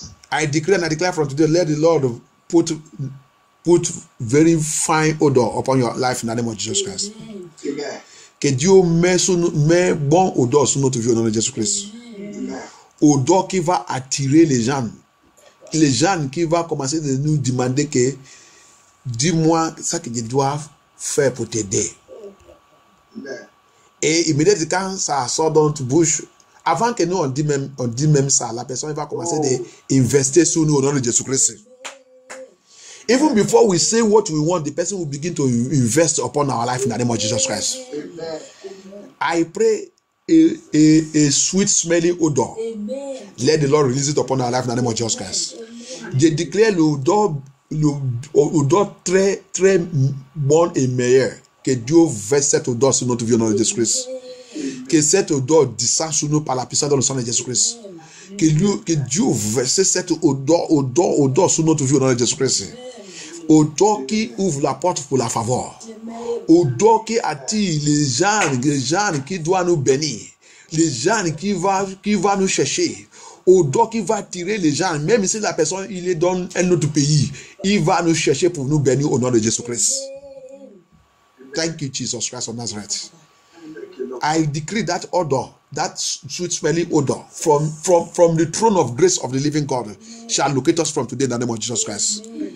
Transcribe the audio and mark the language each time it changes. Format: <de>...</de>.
<en>I declare and I declare from today, let the Lord put very fine odor upon your life in the name of Jesus Christ.</en> <fr>Que Dieu met bon odor sur notre vie au nom de Jésus-Christ. Odor qui va attirer les gens. Les gens qui vont commencer de nous demander que dis-moi ce que je dois faire pour t'aider. Et immédiatement, quand ça sort dans ta bouche, avant que nous on dit même ça, la personne va commencer à investir sur nous au nom de Jésus-Christ.</fr> <en>Even before we say what we want, the person will begin to invest upon our life in the name of Jesus Christ. Amen. I pray a sweet smelling odor. Amen. Let the Lord release it upon our life in the name of Jesus Christ.</en> <fr>Je déclare l'odor très, très bon et meilleur. Que Dieu verse cette odeur sur notre vie au nom de Jésus-Christ. Que cette odeur descende sur nous par la puissance dans le sang de Jésus-Christ. Que Dieu verse cette odeur sur notre vie au nom de Jésus-Christ. Odeur qui ouvre la porte pour la faveur. Odeur qui attire les gens qui doivent nous bénir. Les gens qui va nous chercher. Odeur qui va attirer les gens, même si la personne il est dans un autre pays, il va nous chercher pour nous bénir au nom de Jésus-Christ.</fr> <en>Thank you, Jesus Christ of Nazareth. I decree that odor, that sweet smelling odor from the throne of grace of the living God shall locate us from today in the name of Jesus Christ.</en>